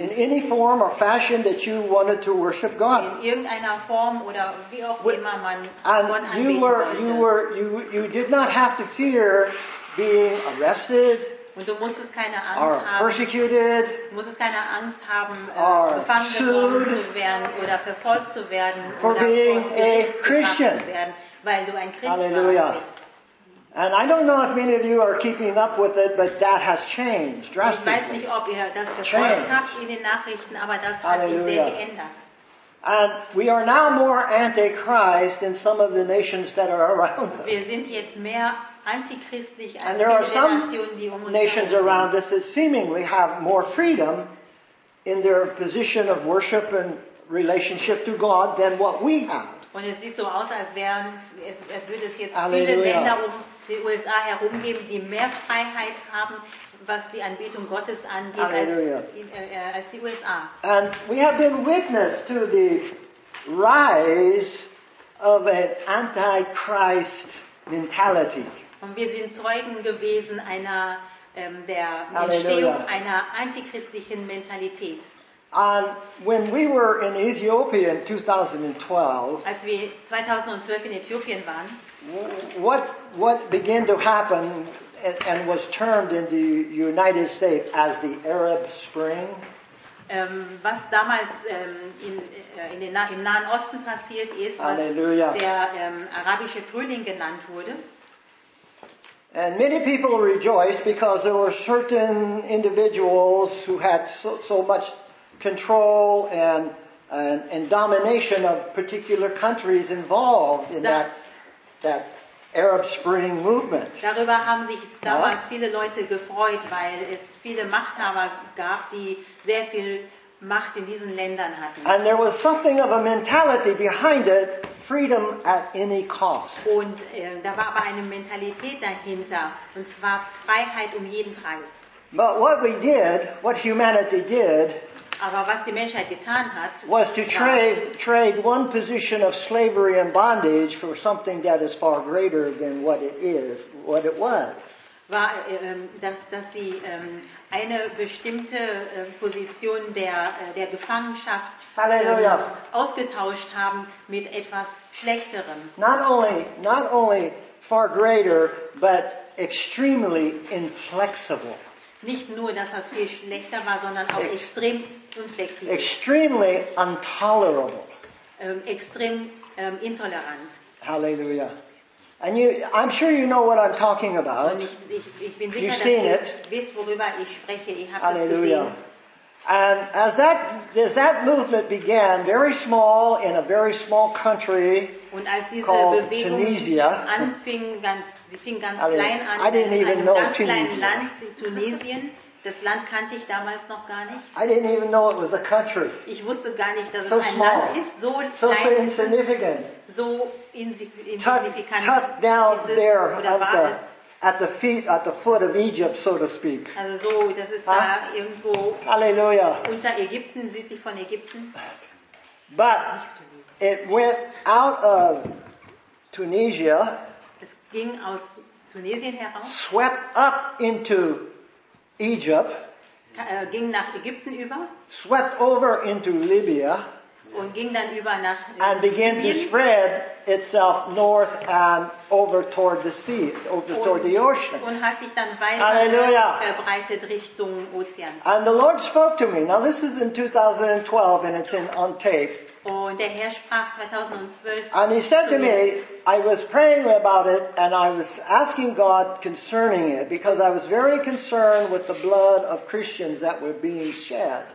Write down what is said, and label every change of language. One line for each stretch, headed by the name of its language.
English: In any form or fashion that you wanted to worship God.
German: In irgendeiner Form oder wie auch immer man Gott anbeten wollte.
English: And you did not have to fear being arrested.
German: Und du musstest keine Angst haben.
English: Persecuted.
German: Du musstest keine Angst haben, gefangen
English: sued,
German: zu werden oder verfolgt zu werden.
English: For
German: oder
English: being a Christian.
German: Weil du ein Christ Halleluja. Bist.
English: And I don't know if many of you are keeping up with it, but that has changed drastically.
German: Ich weiß nicht, ob ihr das verfolgt habt in den Nachrichten, aber das hat sich sehr geändert.
English: And we are now more anti-Christ than some of the nations that are around us.
German: Wir sind jetzt mehr antichristlich als
English: and there are some
German: Nationen, die
English: nations around us that seemingly have more freedom in their position of worship and relationship to God than what we have.
German: Und es sieht so aus, als wären, es würde es jetzt Halleluja. Viele Länder um die USA herum geben, die mehr Freiheit haben, was die Anbetung Gottes angeht, als die USA.
English: And we have been witness to the rise of an anti-Christ mentality.
German: Und wir sind Zeugen gewesen einer der Halleluja. Entstehung einer antichristlichen Mentalität.
English: And when we were in Ethiopia in 2012,
German: als wir 2012 in Äthiopien waren,
English: what began to happen and was termed in the United States as the Arab Spring?
German: Was damals im Nahen Osten passiert ist, was Halleluja. Der arabische Frühling genannt wurde.
English: And many people rejoiced because there were certain individuals who had so much control and domination of particular countries involved in that Arab Spring movement.
German: Darüber haben sich damals viele Leute gefreut, weil es viele Machthaber gab, die sehr viel Macht in diesen Ländern hatten.
English: And there was something of a mentality behind it, freedom at any cost.
German: Und da war aber eine Mentalität dahinter, und zwar Freiheit um jeden Preis.
English: But what we did, what humanity did,
German: aber was die Menschheit getan hat,
English: was to trade one position of slavery and bondage for something that is far greater than what it is, what it was.
German: War, dass sie eine bestimmte Position der Gefangenschaft ausgetauscht haben mit etwas Schlechterem.
English: Not only far greater, but extremely inflexible.
German: Nicht nur, dass das viel schlechter war, sondern auch extrem unflexibel.
English: Extremely intolerable.
German: Extrem intolerant. Halleluja.
English: And I'm sure you know what I'm talking about.
German: Ich bin sicher, dass ihr wisst, worüber ich spreche. Ich habe es gesehen.
English: And as that movement began, very small, in a very small country
German: und als diese
English: called
German: Bewegung
English: Tunisia.
German: Anfing ganz klein an, in einem ganz kleinen Land, Tunesien. Das Land kannte ich damals noch gar nicht.
English: I didn't even know it was a country.
German: Ich wusste gar nicht, dass
English: so
German: es ein
English: small.
German: Land ist. So klein,
English: so insignificant.
German: So insignifikant.
English: Tucked down there at the foot of Egypt, so to speak.
German: Also so, das ist da irgendwo Halleluja. Unter Ägypten, südlich von Ägypten.
English: But it went out of Tunisia.
German: Es ging aus Tunesien heraus.
English: Swept up into Egypt.
German: Ging nach Ägypten über.
English: Swept over into Libya.
German: Und ging dann über nach
English: and began
German: Libyen.
English: To spread itself north and over toward the sea, over toward the ocean.
German: Und hat sich dann weiter verbreitet Richtung Ozean.
English: And the Lord spoke to me. Now this is in 2012 and it's on tape.
German: Und der Herr sprach 2012.
English: And he said to me, I was praying about it and I was asking God concerning it because I was very concerned with the blood of Christians that were being shed.